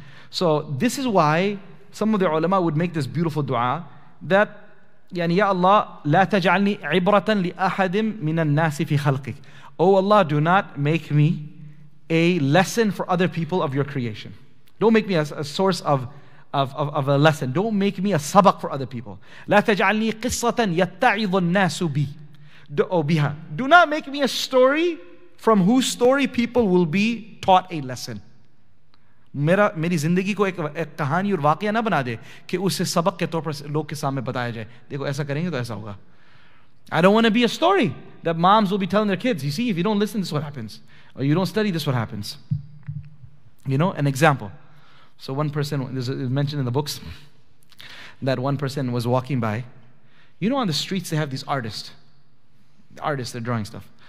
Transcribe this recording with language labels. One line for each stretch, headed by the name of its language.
English: So this is why some of the ulama would make this beautiful dua that, يعني, Ya Allah,
Arabic: لا تجعلني عبرة لأحد من الناس في خلقك.
English: Oh Allah, do not make me a lesson for other people of your creation. Don't make me a source of a lesson. Don't make me a sabak for other people.
Arabic: لا تجعلني قصة يتعظ الناس بي. Do not make me a story from whose story people will be taught a lesson.
Urdu: میری زندگی کو ایک کہانی اور واقعہ نہ بنا دے کہ اس سے سبق کے طور پر لوگ کے سامنے بتایا جائے۔ دیکھو ایسا کریں گے تو ایسا ہوگا۔
English: I don't want to be a story that moms will be telling their kids, you see, if you don't listen, this is what happens. Or you don't study, this is what happens. You know, an example. So one person, it's mentioned in the books, that one person was walking by. You know, on the streets they have these artists, they're drawing stuff.